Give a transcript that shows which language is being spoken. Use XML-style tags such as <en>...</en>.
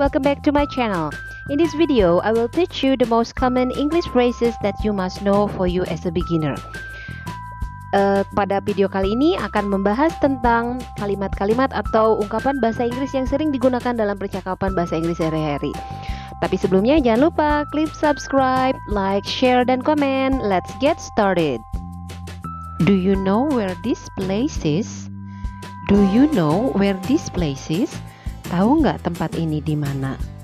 <en>Welcome back to my channel. In this video, I will teach you the most common English phrases that you must know for you as a beginner.</en> <id>Pada video kali ini akan membahas tentang kalimat-kalimat atau ungkapan bahasa Inggris yang sering digunakan dalam percakapan bahasa Inggris sehari-hari. Tapi sebelumnya jangan lupa klik subscribe, like, share, dan komen.</id> <en>Let's get started. Do you know where this place is? Do you know where this place is?</en> <id>Tahu nggak tempat ini di mana?</id>